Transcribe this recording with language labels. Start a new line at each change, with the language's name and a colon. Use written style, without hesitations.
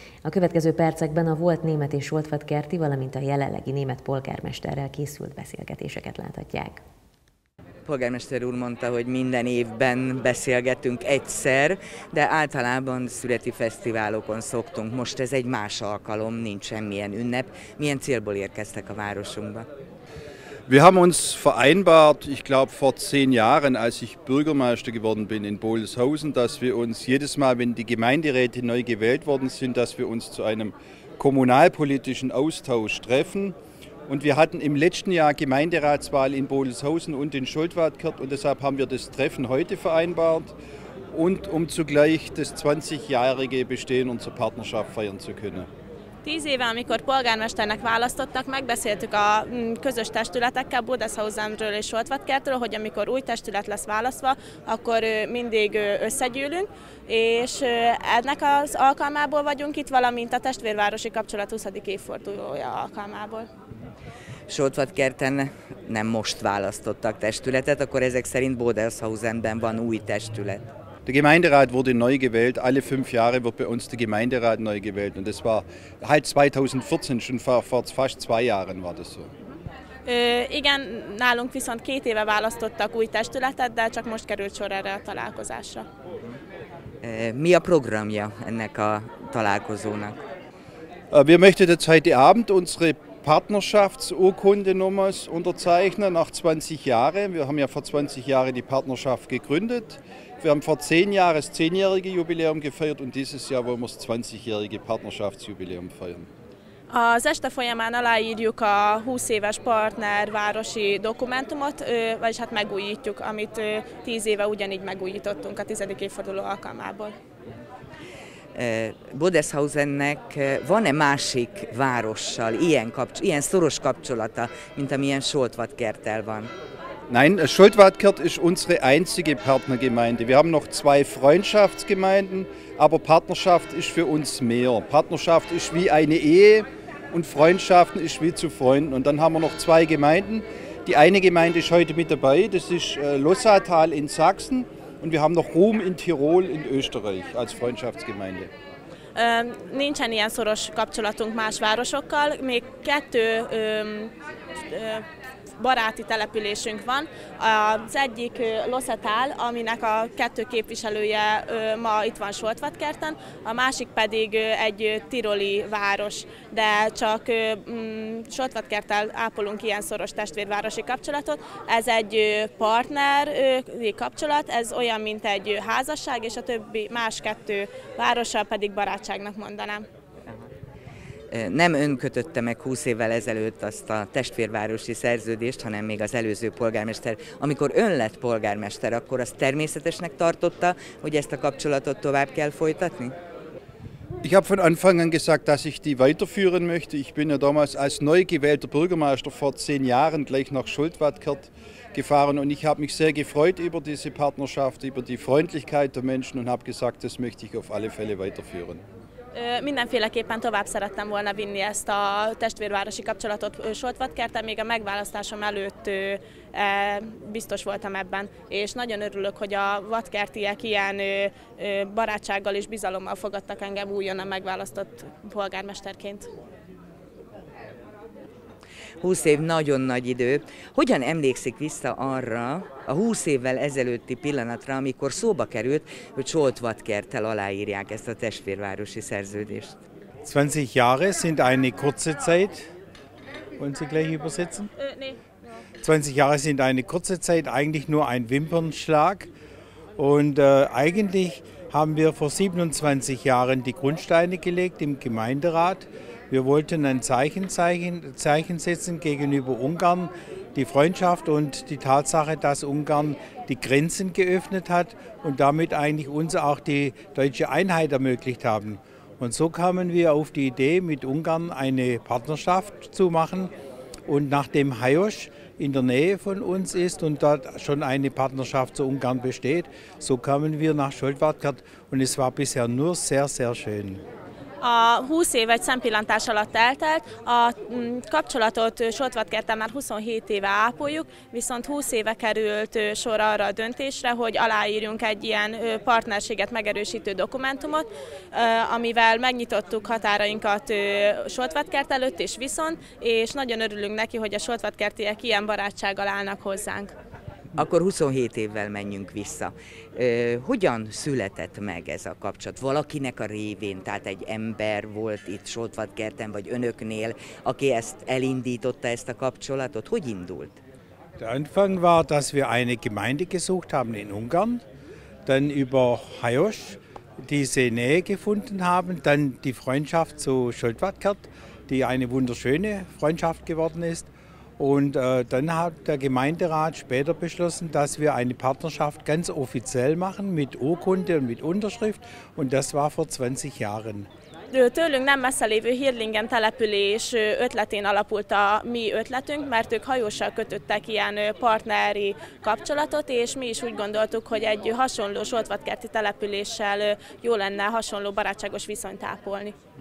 Hungarian: A következő percekben a volt német és soltvadkerti, valamint a jelenlegi német polgármesterrel készült beszélgetéseket láthatják. Polgármester úr mondta, hogy minden évben beszélgetünk egyszer, de általában születi fesztiválokon szoktunk. Most ez egy más alkalom, nincs semmilyen ünnep. Milyen célból érkeztek a városunkba?
German: Wir haben uns vereinbart, ich glaube vor 10 Jahren, als ich Bürgermeister geworden bin in Bodenhausen, dass wir uns jedes Mal, wenn die Gemeinderäte neu gewählt worden sind, dass wir uns zu einem kommunalpolitischen Austausch treffen. Und wir hatten im letzten Jahr Gemeinderatswahl in Bodenhausen und in Schultwadkert und deshalb haben wir das Treffen heute vereinbart und um zugleich das 20-jährige Bestehen unserer Partnerschaft feiern zu können.
Hungarian: 10 éve, amikor polgármesternek választottak, megbeszéltük a közös testületekkel, Bodenhausenről és Soltvadkertről, hogy amikor új testület lesz választva, akkor mindig összegyűlünk, és ennek az alkalmából vagyunk itt, valamint a testvérvárosi kapcsolat 20. évfordulója alkalmából. Soltvadkerten nem most választottak testületet, akkor ezek szerint Bodenhausenben van új testület.
German: Der Gemeinderat wurde neu gewählt. Alle 5 Jahre wird bei uns der Gemeinderat neu gewählt. Und das war halt 2014, schon vor fast 2 Jahren war das so.
Hungarian: Igen, nálunk viszont 2 éve választottak új testületet, de csak most került sor erre a találkozásra. Mi a programja ennek a találkozónak?
German: Wir möchten jetzt heute Abend unsere Partnerschaftsurkunde nochmals unterzeichnen nach 20 Jahren. Wir haben ja vor 20 Jahren die Partnerschaft gegründet. Wir haben vor 10 Jahren das 10-jährige Jubiläum gefeiert und dieses Jahr wollen wir das 20-jährige Partnerschaftsjubiläum feiern.
Hungarian: Az este folyamán aláírjuk a 20 éves partnervárosi dokumentumot, vagyis hát megújítjuk, amit 10 éve ugyanígy megújítottunk a 10. évforduló alkalmából. Bodenhausennek van-e másik várossal ilyen szoros kapcsolata, mint amilyen Soltvadkerttel van?
German: Nein, Soltvadkert ist unsere einzige Partnergemeinde. Wir haben noch 2 Freundschaftsgemeinden, aber Partnerschaft ist für uns mehr. Partnerschaft ist wie eine Ehe und Freundschaft ist wie zu Freunden. Und dann haben wir noch 2 Gemeinden. Die eine Gemeinde ist heute mit dabei, das ist Lossatal in Sachsen. Und wir haben noch Ruhm in Tirol in Österreich als Freundschaftsgemeinde.
Hungarian: Nincsen ilyen szoros kapcsolatunk más városokkal. Még 2 baráti településünk van. Az egyik Lossatal, aminek a 2 képviselője ma itt van Soltvadkerten, a másik pedig egy tiroli város. De csak Soltvadkerttel ápolunk ilyen szoros testvérvárosi kapcsolatot. Ez egy partneri kapcsolat, ez olyan, mint egy házasság, és a többi más 2 várossal pedig barátságnak mondanám. Nem ön kötötte meg 20 évvel ezelőtt azt a testvérvárosi szerződést, hanem még az előző polgármester. Amikor ön lett polgármester, akkor azt természetesnek tartotta, hogy ezt a kapcsolatot tovább kell folytatni?
German: Ich habe von Anfang an gesagt, dass ich die weiterführen möchte. Ich bin ja damals als neu gewählter Bürgermeister vor 10 Jahren gleich nach Soltvadkert gefahren und ich habe mich sehr gefreut über diese Partnerschaft, über die Freundlichkeit der Menschen und habe gesagt, das möchte ich auf alle Fälle weiterführen.
Hungarian: Mindenféleképpen tovább szerettem volna vinni ezt a testvérvárosi kapcsolatot Soltvadkerten, még a megválasztásom előtt biztos voltam ebben, és nagyon örülök, hogy a vadkertiek ilyen barátsággal és bizalommal fogadtak engem újonnan megválasztott polgármesterként. 20 év nagyon nagy idő. Hogyan emlékszik vissza arra a 20 évvel ezelőtti pillanatra, amikor szóba került, hogy Soltvadkerttel aláírják ezt a testvérvárosi szerződést?
German: 20 Jahre sind eine kurze Zeit. Wollen Sie gleich übersetzen? 20 Jahre sind eine kurze Zeit, eigentlich nur ein Wimpernschlag. Und eigentlich haben wir vor 27 Jahren die Grundsteine gelegt im Gemeinderat. Wir wollten ein Zeichen setzen gegenüber Ungarn, die Freundschaft und die Tatsache, dass Ungarn die Grenzen geöffnet hat und damit eigentlich uns auch die deutsche Einheit ermöglicht haben. Und so kamen wir auf die Idee, mit Ungarn eine Partnerschaft zu machen. Und nachdem Hajos in der Nähe von uns ist und dort schon eine Partnerschaft zu Ungarn besteht, so kamen wir nach Scholtwatkert und es war bisher nur sehr, sehr schön.
Hungarian: A 20 év egy szempillantás alatt eltelt, a kapcsolatot Soltvadkerttel már 27 éve ápoljuk, viszont 20 éve került sor arra a döntésre, hogy aláírjunk egy ilyen partnerséget megerősítő dokumentumot, amivel megnyitottuk határainkat Soltvadkert előtt is viszont, és nagyon örülünk neki, hogy a soltvadkertiek ilyen barátsággal állnak hozzánk. Akkor 27 évvel menjünk vissza. Hogyan született meg ez a kapcsolat? Valakinek a révén, tehát egy ember volt itt Soltvadkerten, vagy önöknél, aki ezt elindította ezt a kapcsolatot? Hogy indult?
German: Der Anfang war, dass wir eine Gemeinde gesucht haben in Ungarn, dann über Hajos diese Nähe gefunden haben, dann die Freundschaft zu Soltvadkert, die eine wunderschöne Freundschaft geworden ist. Und dann hat der Gemeinderat später beschlossen, dass wir eine Partnerschaft ganz offiziell machen mit Urkunde und mit Unterschrift. Und das war vor 20 Jahren.
Hungarian: Tőlünk nem messze lévő Hirdlingen település ötletén alapult a mi ötletünk, mert ők hajóssal kötöttek ilyen partneri kapcsolatot, és mi is úgy gondoltuk, hogy egy hasonló soltvadkerti településsel jó lenne hasonló barátságos viszonyt ápolni.